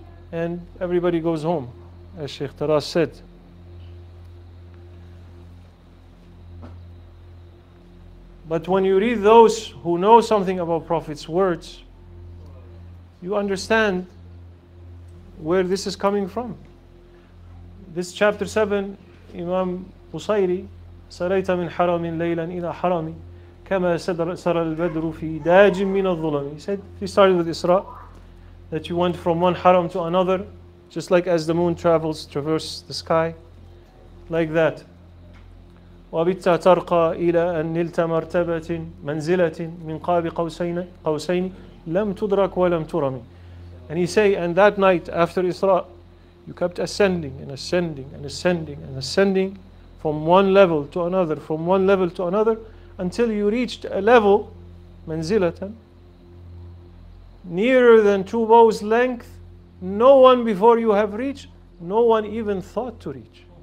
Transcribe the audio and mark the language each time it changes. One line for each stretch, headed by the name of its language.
English: And everybody goes home, as Sheikh Taras said. But when you read those who know something about Prophet's words, you understand where this is coming from. This chapter 7, Imam Busayri,
Arabic: سريت من حرم ليلا إلى حرم كما سر البدر في داج من الظلم.
English: He said, he started with Isra, that you went from one haram to another, just like as the moon traverses the sky, like that.
Arabic: وبت ترقى إلى أن نلت مرتبة منزلة من قاب قوسين لم تدرك ولم ترمي.
English: And he say, and that night after Isra, you kept ascending and ascending and ascending and ascending from one level to another, from one level to another, until you reached a level, manzilatan, nearer than two bows length, no one before you have reached, no one even thought to reach.